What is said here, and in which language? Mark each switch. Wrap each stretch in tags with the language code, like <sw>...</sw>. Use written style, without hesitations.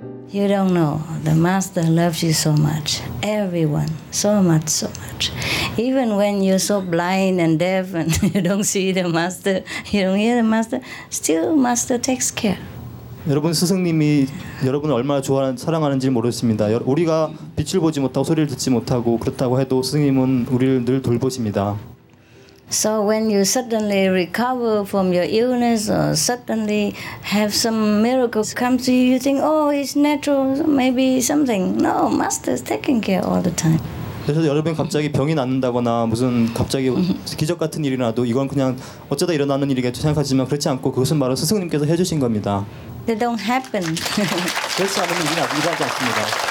<en>You don't know, the Master loves you so much, everyone, so much, so much. Even when you're so blind and deaf and you don't see the Master, you don't hear the Master, still Master takes care.</en> <ko>여러분 스승님이 여러분을 얼마나 좋아하는 사랑하는지 모르십니다. 우리가 빛을 보지 못하고 소리를 듣지 못하고 그렇다고 해도 스승님은 우리를 늘 돌보십니다.</ko> <en>So when you suddenly recover from your illness or suddenly have some miracle come to you, you think, oh, it's natural, maybe something. No, Master's taking care all the time.</en> <ko>그래서 여러분 갑자기 병이 낫는다거나 무슨 갑자기 기적 같은 일이 나도 이건 그냥 어쩌다 일어나는 일이겠죠 생각하지만 그렇지 않고 그것은 바로 스승님께서 해주신 겁니다.</ko> <en>They don't happen.</en> <ko>그렇지 않으면 일이 일어나지 않습니다.</ko>